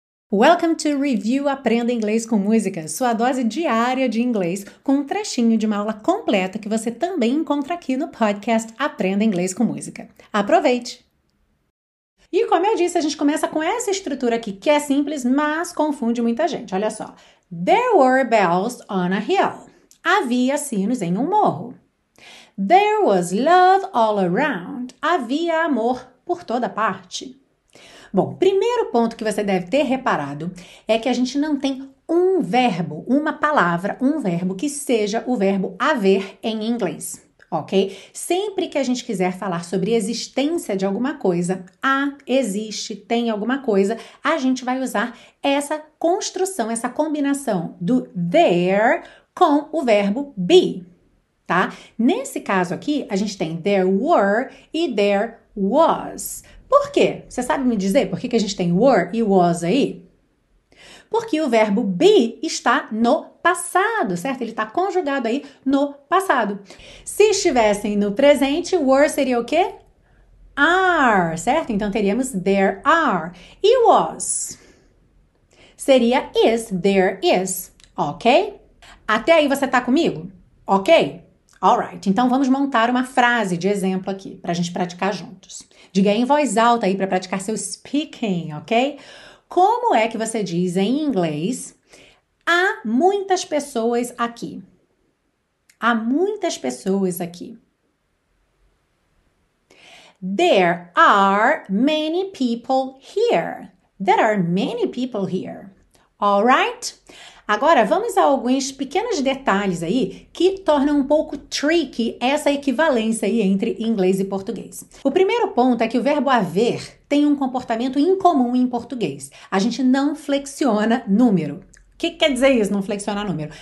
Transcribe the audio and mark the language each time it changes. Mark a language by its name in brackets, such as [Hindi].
[English] Welcome to [Portuguese] Review Aprenda Inglês com Música, sua dose diária de inglês, com um trechinho de uma aula completa que você também encontra aqui no podcast Aprenda Inglês com Música. Aproveite! E como eu disse, a gente começa com essa estrutura aqui, que é simples, mas confunde muita gente. Olha só. [English] There were bells on a hill. [Portuguese] Havia sinos em um morro. [English] There was love all around. [Portuguese] Havia amor por toda parte. Bom, primeiro ponto que você deve ter reparado é que a gente não tem um verbo, uma palavra, um verbo que seja o verbo haver em inglês, ok? Sempre que a gente quiser falar sobre existência de alguma coisa, há, existe, tem alguma coisa, a gente vai usar essa construção, essa combinação do there com o verbo be, tá? Nesse caso aqui, a gente tem there were e there was. Por quê? Você sabe me dizer por que a gente tem were e was aí? Porque o verbo be está no passado, certo? Ele está conjugado aí no passado. Se estivessem no presente, were seria o quê? Are, certo? Então teríamos there are. E was seria is, there is, ok? Até aí você está comigo? Ok? Alright, então vamos montar uma frase de exemplo aqui para a gente praticar juntos. Diga aí em voz alta aí para praticar seu speaking, ok? Como é que você diz em inglês, há muitas pessoas aqui? Há muitas pessoas aqui. [English] There are many people here. There are many people here. Alright? [Portuguese] Agora, vamos a alguns pequenos detalhes aí que tornam um pouco tricky essa equivalência aí entre inglês e português. O primeiro ponto é que o verbo haver tem um comportamento incomum em português. A gente não flexiona número. O que quer dizer isso, não flexionar número?